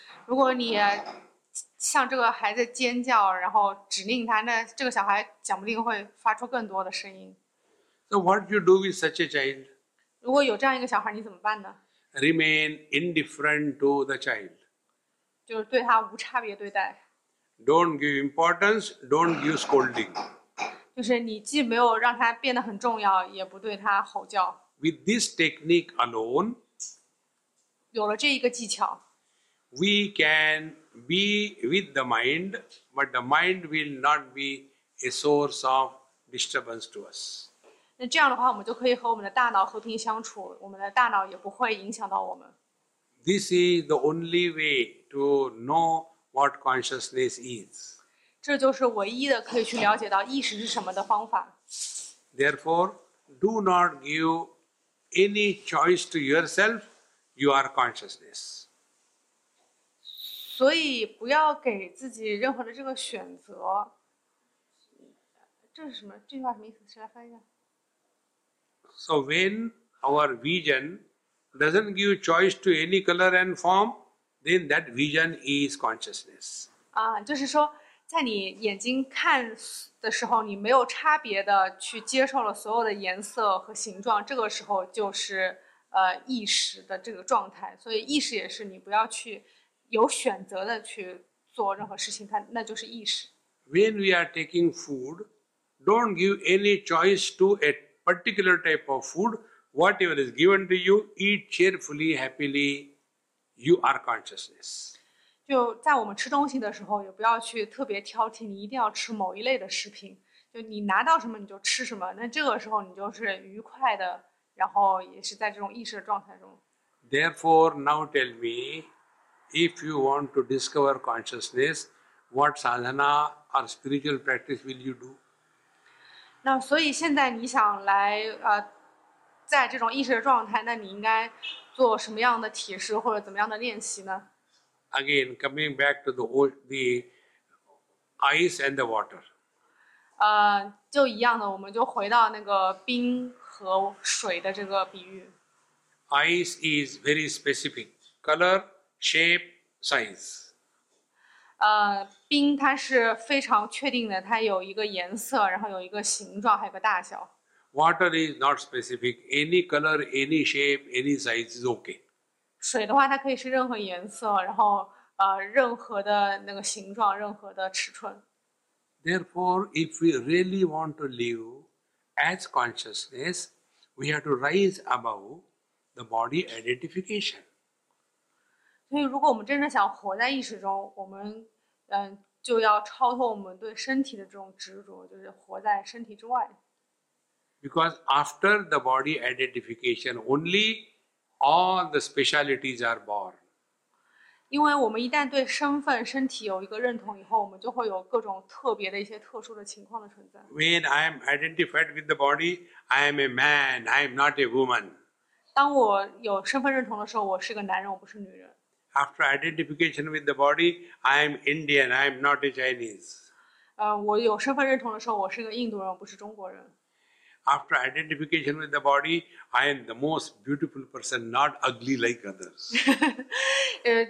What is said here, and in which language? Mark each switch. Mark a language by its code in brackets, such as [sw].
[zh] 如果你向这个孩子尖叫，然后指令他，那这个小孩讲不定会发出更多的声音。 [en] So what do you do with such a child? [zh] 如果有这样一个小孩，你怎么办呢？ [en] Remain indifferent to the child. [zh] 就是对他无差别对待。 [en] Don't give importance, don't give scolding. [zh] 就是你既没有让他变得很重要，也不对他吼叫。 [en] With this technique alone, [zh] 有了这一个技巧， [en] we can be with the mind, but the mind will not be a source of disturbance to us. [zh] 那这样的话，我们就可以和我们的大脑和平相处，我们的大脑也不会影响到我们。 [en] This is the only way to know what consciousness is. [zh] 这就是唯一的可以去了解到意识是什么的方法。 [en] Therefore, do not give any choice to yourself. You are consciousness. [zh] 所以不要给自己任何的这个选择。这是什么？这句话什么意思？谁来翻译一下？ [en] So when our vision doesn't give choice to any color and form, then that vision is consciousness. [zh] 啊，就是说，在你眼睛看的时候，你没有差别的去接受了所有的颜色和形状，这个时候就是意识的这个状态。所以意识也是你不要去有选择的去做任何事情，它那就是意识。 [en] When we are taking food, don't give any choice to it. Particular type of food, whatever is given to you, eat cheerfully, happily. You are consciousness. [zh] 就在我们吃东西的时候，也不要去特别挑剔，你一定要吃某一类的食品。就你拿到什么你就吃什么，那这个时候你就是愉快的，然后也是在这种意识的状态中。 [en] Therefore, now tell me, if you want to discover consciousness, what sadhana or spiritual practice will you do? [zh] 那所以现在你想来在这种意识的状态，那你应该做什么样的体式或者怎么样的练习呢 [en] ？Again, coming back to the ice and the water. [zh] 就一样的，我们就回到那个冰和水的这个比喻。 [en] Ice is very specific, color, shape, size. [zh] 冰它是非常确定的，它有一个颜色，然后有一个形状，还有个大小。 [en] Water is not specific. Any color, any shape, any size is okay. [zh] 水的话，它可以是任何颜色，然后任何的那个形状，任何的尺寸。 [en] Therefore, if we really want to live as consciousness, we have to rise above the body identification. [zh] 所以，如果我们真正想活在意识中，我们就要超脱我们对身体的这种执着，就是活在身体之外。 [en] Because after the body identification only, all the specialities are born. [zh] 因为我们一旦对身份、身体有一个认同以后，我们就会有各种特别的一些特殊的情况的存在。 [en] When I am identified with the body, I am a man, I am not a woman. [zh] 当我有身份认同的时候，我是个男人，我不是女人。 [en] After identification with the body, I am Indian, I am not a Chinese. [zh] 我有身份认同的时候，我是个印度人，不是中国人。 [en] After identification with the body, I am the most beautiful person, not ugly like others.